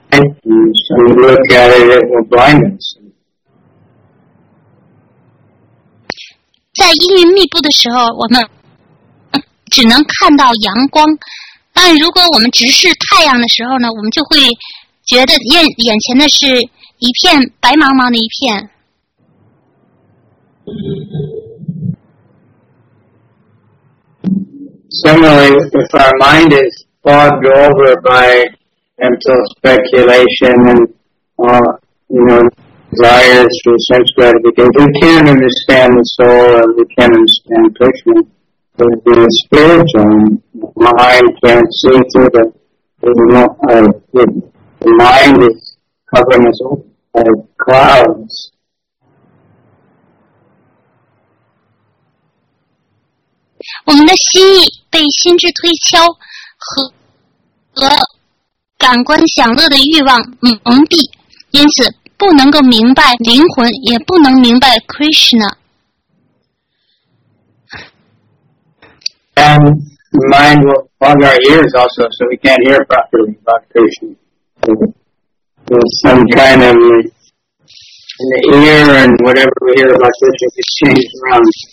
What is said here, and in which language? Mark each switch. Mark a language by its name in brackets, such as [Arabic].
[English] And so we look at it, it will blind us. [Chinese] 在阴云密布的时候，我们只能看到阳光。但如果我们直视太阳的时候呢，我们就会觉得眼前的是一片白茫茫的一片。 [English] Similarly, if our mind is fogged over by mental speculation and desires for sense gratification, we can't understand the soul and we can't understand Krishna. But the spiritual mind can't see through the mind is covering us over like clouds. [Chinese] 我们的心意被心智推敲和感官享乐的欲望蒙蔽，因此不能够明白灵魂，也不能明白 Krishna。 [English] And the mind will fog our ears also, so we can't hear properly about Krishna. There's some kind of an ear and whatever we hear about Krishna gets changed around.